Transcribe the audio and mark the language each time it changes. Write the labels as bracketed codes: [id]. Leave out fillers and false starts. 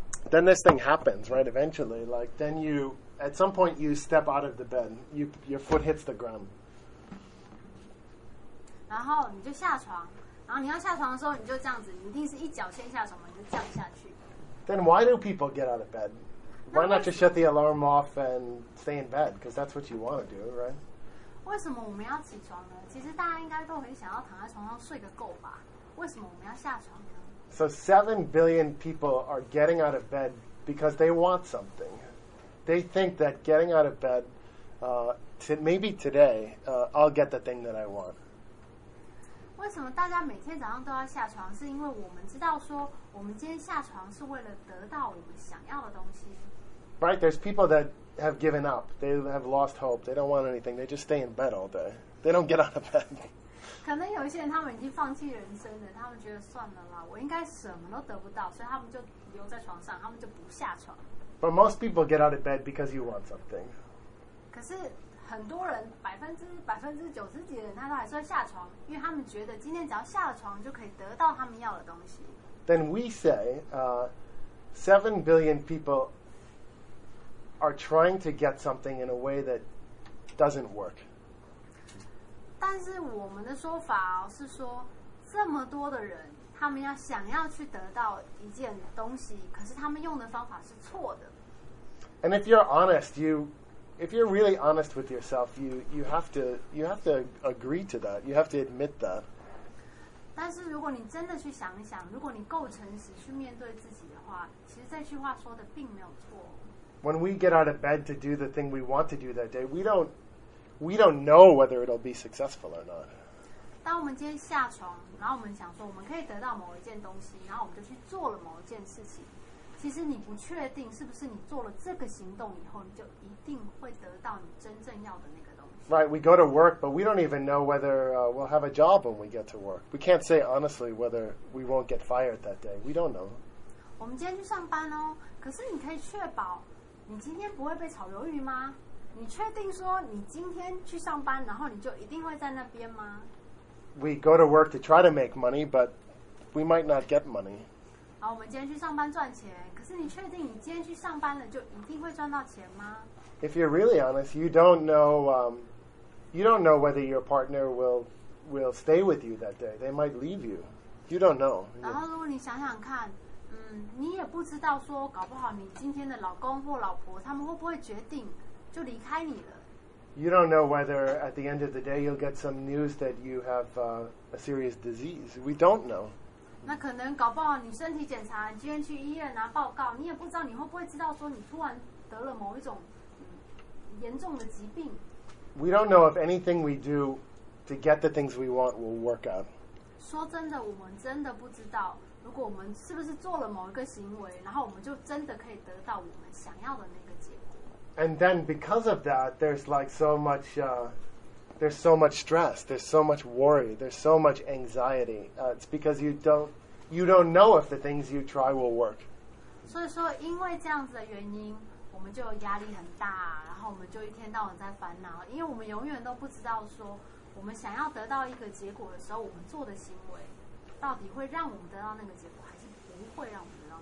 [en] Then this thing happens, right? Eventually, like then you, at some point, you step out of the bed. Your foot hits the ground. [zh] 然后你就下床，然后你要下床的时候，你就这样子，你一定是一脚先下床嘛，你就这样下去。 [en] Then why do people get out of bed? Why not just shut the alarm off and stay in bed? Because that's what you want to do, right? [zh] 为什么我们要起床呢？其实大家应该都很想要躺在床上睡个够吧？为什么我们要下床呢？ [en] So 7 billion people are getting out of bed because they want something. They think that getting out of bed, maybe today, I'll get the thing that I want. [zh] 为什么大家每天早上都要下床？是因为我们知道说，我们今天下床是为了得到我们想要的东西。 [en] Right? There's people that have given up. They have lost hope. They don't want anything. They just stay in bed all day. They don't get out of bed. [zh] 可能有一些人他们已经放弃人生了，他们觉得算了啦，我应该什么都得不到，所以他们就留在床上，他们就不下床。 [en] But most people get out of bed because you want something. [zh] 可是很多人90%几的人，他都还是会下床，因为他们觉得今天只要下床就可以得到他们要的东西。 [en] Then we say, 7 billion people are trying to get something in a way that doesn't work. [zh] 但是我们的说法是说，这么多的人，他们要想要去得到一件东西，可是他们用的方法是错的。 [en] And if you're honest, if you're really honest with yourself, you have to agree to that. You have to admit that. [zh] 但是如果你真的去想一想，如果你够诚实去面对自己的话，其实这句话说的并没有错。 [en] When we get out of bed to do the thing we want to do that day, we don't know whether it'll be successful or not. [zh] 当我们今天下床，然后我们想说我们可以得到某一件东西，然后我们就去做了某一件事情。其实你不确定是不是你做了这个行动以后，你就一定会得到你真正要的那个东西。 [en] Right, we go to work, but we don't even know whether we'll have a job when we get to work. We can't say honestly whether we won't get fired that day. We don't know. [zh] 我们今天去上班哦，可是你可以确保你今天不会被炒鱿鱼吗？你确定说你今天去上班，然后你就一定会在那边吗？ [en] We go to work to try to make money, but we might not get money. [zh] 好，我们今天去上班赚钱，可是你确定你今天去上班了就一定会赚到钱吗？ [en] If you're really honest, you don't know whether your partner will stay with you that day. They might leave you. You don't know. [zh] 然后如果你想想看，你也不知道说搞不好你今天的老公或老婆他们会不会决定就离开你了。 [en] You don't know whether at the end of the day you'll get some news that you have a serious disease. We don't know. [zh] 那可能搞不好你身体检查，你今天去医院拿报告，你也不知道你会不会知道说你突然得了某一种严重的疾病。 [en] We don't know if anything we do to get the things we want will work out. [zh] 说真的，我们真的不知道，如果我们是不是做了某一个行为，然后我们就真的可以得到我们想要的那个结果。 [en] And then because of that, there's so much stress, there's so much worry, there's so much anxiety. It's because you don't know if the things you try will work. [zh] 所以说因为这样子的原因，我们就压力很大，然后我们就一天到晚在烦恼，因为我们永远都不知道说我们想要得到一个结果的时候，我们做的行为到底会让我们得到那个结果，还是不会让我们。